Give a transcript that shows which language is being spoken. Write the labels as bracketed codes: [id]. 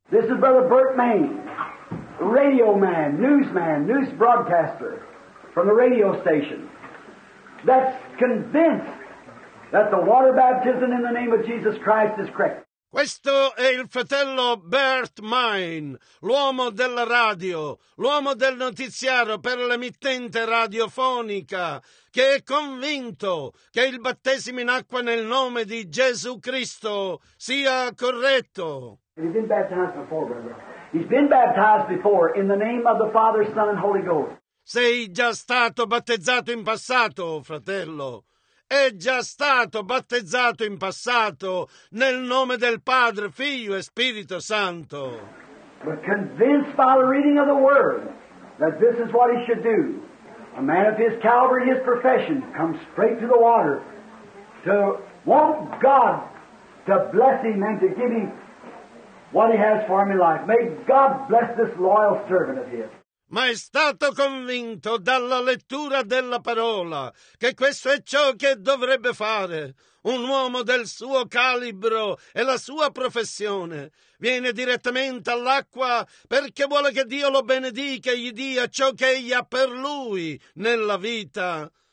[en] This is Brother Bert Main, radio man, newsman, news broadcaster from the radio station. That's convinced that the water baptism in the name of Jesus Christ is correct. [it] Questo è il fratello Bert Main, l'uomo della radio, l'uomo del notiziario per l'emittente radiofonica, che è convinto che il battesimo in acqua nel nome di Gesù Cristo sia corretto. [en] He's been baptized before, brother. He's been baptized before in the name of the Father, Son and Holy Ghost. [it] Sei già stato battezzato in passato, fratello. È già stato battezzato in passato nel nome del Padre, Figlio e Spirito Santo. [en] But convinced by the reading of the Word that this is what he should do, a man of his caliber, his profession, comes straight to the water to want God to bless him and to give him what he has for him in life. May God bless this loyal servant of his. [it] Ma è stato convinto dalla lettura della parola che questo è ciò che dovrebbe fare. Un uomo del suo calibro e la sua professione viene direttamente all'acqua perché vuole che Dio lo benedica e gli dia ciò che egli ha per lui nella vita.